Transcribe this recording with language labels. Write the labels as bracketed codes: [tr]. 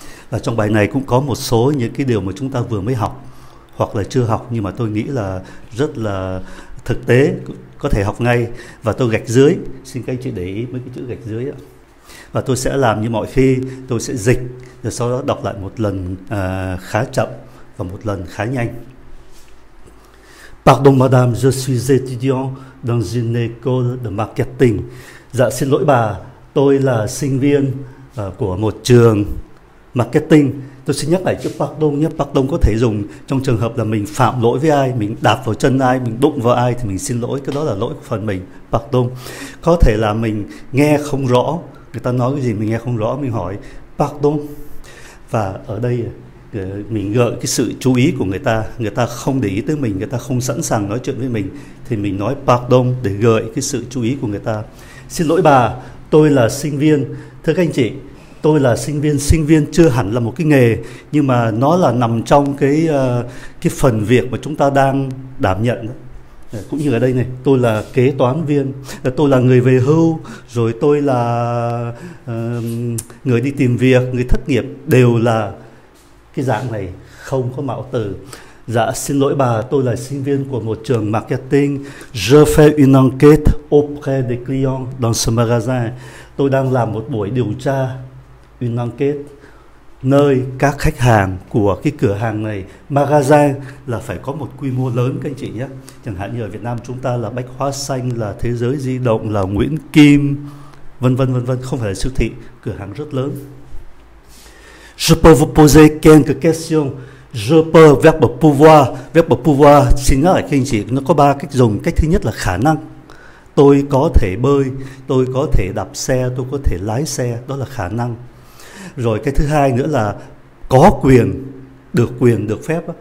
[vi] Và trong bài này cũng có một số những cái điều mà chúng ta vừa mới học hoặc là chưa học, nhưng mà tôi nghĩ là rất là thực tế, có thể học ngay. Và tôi gạch dưới, xin các anh chị để ý mấy cái chữ gạch dưới ạ. Và tôi sẽ làm như mọi khi, tôi sẽ dịch, rồi sau đó đọc lại một lần khá chậm và một lần khá nhanh. [fr] Pardon madame, je suis étudiant dans une école de marketing. [vi] Dạ xin lỗi bà, tôi là sinh viên của một trường marketing. Tôi xin nhắc lại chữ pardon nhé. Pardon có thể dùng trong trường hợp là mình phạm lỗi với ai, mình đạp vào chân ai, mình đụng vào ai thì mình xin lỗi, cái đó là lỗi của phần mình, pardon. Có thể là mình nghe không rõ, người ta nói cái gì mình nghe không rõ, mình hỏi pardon. Và ở đây mình gợi cái sự chú ý của người ta không để ý tới mình, người ta không sẵn sàng nói chuyện với mình, thì mình nói pardon để gợi cái sự chú ý của người ta. Xin lỗi bà, tôi là sinh viên. Thưa các anh chị, tôi là sinh viên. Sinh viên chưa hẳn là một cái nghề, nhưng mà nó là nằm trong cái phần việc mà chúng ta đang đảm nhận đó. Cũng như ở đây này, tôi là kế toán viên, tôi là người về hưu, rồi tôi là người đi tìm việc, người thất nghiệp, đều là cái dạng này, không có mạo từ. Dạ xin lỗi bà, tôi là sinh viên của một trường marketing. [fr] Je fais une enquête auprès des clients dans ce magasin. [vi] Tôi đang làm một buổi điều tra, une enquête, nơi các khách hàng của cái cửa hàng này. Magasin là phải có một quy mô lớn các anh chị nhé. Chẳng hạn như ở Việt Nam chúng ta là Bách Hóa Xanh, là Thế Giới Di Động, là Nguyễn Kim, vân vân vân vân, không phải là siêu thị, cửa hàng rất lớn. [fr] Je peux vous poser quelques questions. Je peux, verbe pouvoir. [vi] Verbe pouvoir, xin nhắc lại các anh chị, nó có ba cách dùng. Cách thứ nhất là khả năng. Tôi có thể bơi, tôi có thể đạp xe, tôi có thể lái xe, đó là khả năng. Rồi cái thứ hai nữa là có quyền, được quyền, được phép.